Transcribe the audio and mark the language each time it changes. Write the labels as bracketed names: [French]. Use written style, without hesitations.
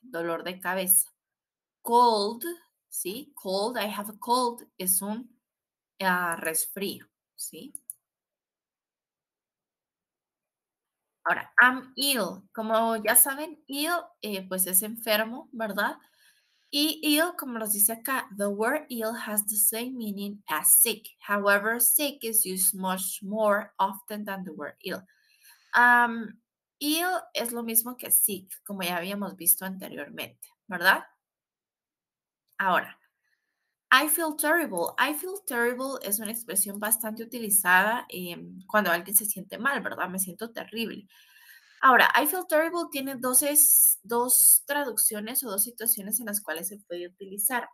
[Spanish] Dolor de cabeza. [English] Cold. ¿Sí? Cold. I have a cold. [Spanish] Es un resfrío, ¿sí? [English] Ahora, I'm ill. [Spanish] Como ya saben, ill, pues es enfermo, ¿verdad? [English] Y ill, [Spanish] como los dice acá, [English] the word ill has the same meaning as sick. However, sick is used much more often than the word ill. [Spanish] Ill es lo mismo que sick, como ya habíamos visto anteriormente, ¿verdad? Ahora, [English] I feel terrible. [Spanish] I feel terrible es una expresión bastante utilizada cuando alguien se siente mal, ¿verdad? Me siento terrible. Ahora, [English] I feel terrible [Spanish] tiene dos traducciones o dos situaciones en las cuales se puede utilizar.